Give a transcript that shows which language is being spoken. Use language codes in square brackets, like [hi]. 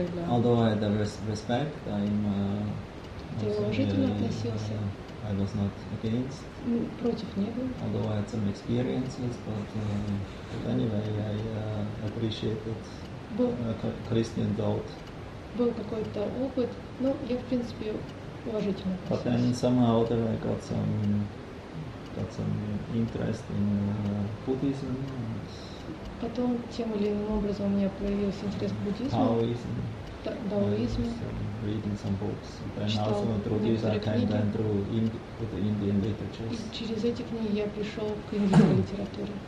[en] Although I had the respect, I'm I was not against. [ru] Против не был. [en] Although I had some experiences, but anyway, I appreciated Christian thought. [ru] Был какой-то опыт, но я в принципе уважительно относился. [en] But then somehow or other I got some interest in Buddhism. [ru] Потом тем или иным образом у меня появился интерес к буддизму. [en] Taoism. [ru] даоизма. [en] Reading some books, and [ru] читал [en] also through these are kind of through the Indian literature. [ru] И через эти книги я пришел к индийской литературе.